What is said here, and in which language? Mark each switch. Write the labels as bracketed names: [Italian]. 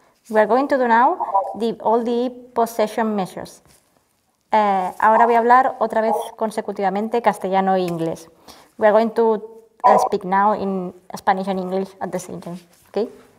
[English] We're going to do now all the possession measures. [Spanish] Ahora voy a hablar otra vez consecutivamente castellano e inglés. [English] We are going to speak now in Spanish and English at the same time. Okay?